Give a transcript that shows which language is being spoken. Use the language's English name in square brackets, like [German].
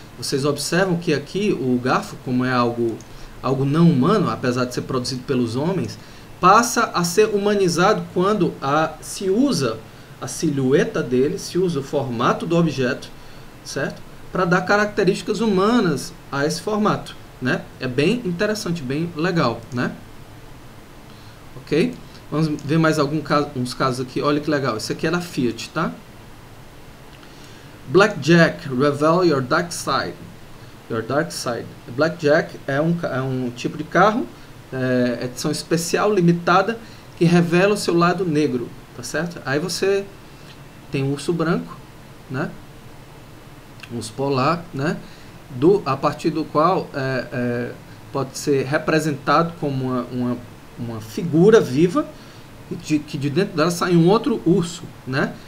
[Portuguese] Vocês observam que aqui o garfo, como é algo não humano, apesar de ser produzido pelos homens, passa a ser humanizado quando se usa a silhueta dele, se usa o formato do objeto, certo? Para dar características humanas a esse formato, né? É bem interessante, bem legal, né? Ok? Vamos ver mais uns casos aqui. Olha que legal. Esse aqui é da Fiat, tá? [English] Blackjack, reveal your dark side. Your dark side. [Portuguese] Blackjack é um tipo de carro, edição especial limitada, que revela o seu lado negro, tá certo? Aí você tem um urso branco, né? Um urso polar, né? A partir do qual pode ser representado como uma figura viva, que de dentro dela sai um outro urso, né?